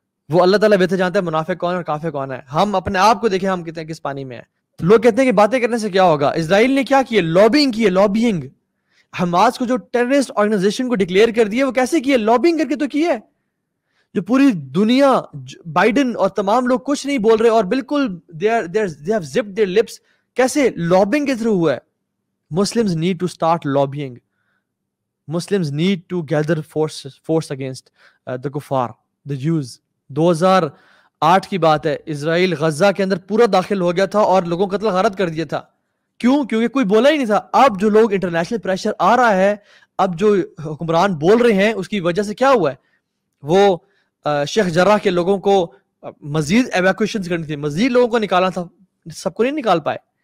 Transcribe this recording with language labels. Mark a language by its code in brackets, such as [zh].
[ur] وہ اللہ تعالیٰ بہتر جانتا ہے منافق کون اور کافر کون ہے. ہم اپنے آپ کو دیکھیں ہم کتنے کس پانی میں ہیں. لوگ کہتے ہیں کہ باتیں کرنے سے کیا ہوگا. اسرائیل نے کیا کیا, لابینگ کی ہے, لابینگ. حماس کو جو ٹیررسٹ آرگنائزیشن کو ڈکلیئر کر دیا وہ کیسے کیا؟ لابنگ کر کے تو کیا ہے. جو پوری دنیا بائیڈن اور تمام لوگ کچھ نہیں بول رہے اور بالکل [en] they have zipped their lips, [ur] کیسے لابنگ کے تھرو ہوا ہے. [en] Muslims need to start lobbying. Muslims need to gather force against the kuffar, the Jews. [ur] 2008 کی بات ہے, اسرائیل غزہ کے اندر پورا داخل ہو گیا تھا اور لوگوں قتل غارت کر دیا تھا. کیوں؟ کیونکہ کوئی بولا ہی نہیں تھا. اب جو لوگ انٹرنیشنل پریشر آ رہا ہے, اب جو حکمران بول رہے ہیں, اس کی وجہ سے کیا ہوا ہے؟ وہ شیخ جرہ کے لوگوں کو مزید ایویکویشنز کرنی تھی, مزید لوگوں کو نکالنا تھا, سب کو نہیں نکال پائے.